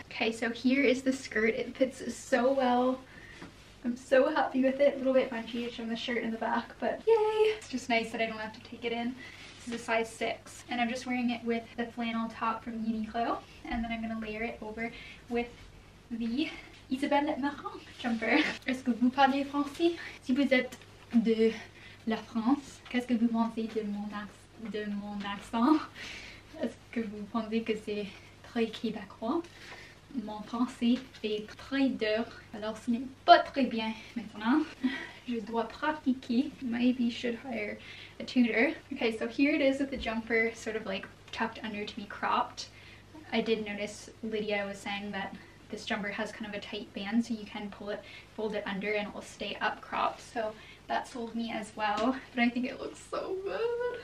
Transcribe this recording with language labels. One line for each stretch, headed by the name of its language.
English: Okay, so here is the skirt. It fits so well. I'm so happy with it. A little bit bunchy-ish on the shirt in the back, but yay! It's just nice that I don't have to take it in. This is a size 6, and I'm just wearing it with the flannel top from Uniqlo, and then I'm going to layer it over with the Isabelle Marant jumper.
French: Est-ce que vous parlez français? Si vous êtes de la France, qu'est-ce que vous pensez de mon accent? Est-ce que vous pensez que c'est très québécois? Mon français est très dur, alors ce n'est pas très bien maintenant. Je dois pratiquer.
English: Maybe should hire a tutor. Okay, so here it is with the jumper sort of like tucked under to be cropped. I did notice Lydia was saying that this jumper has kind of a tight band, so you can pull it, fold it under, and it will stay up cropped. So that sold me as well, but I think it looks so good.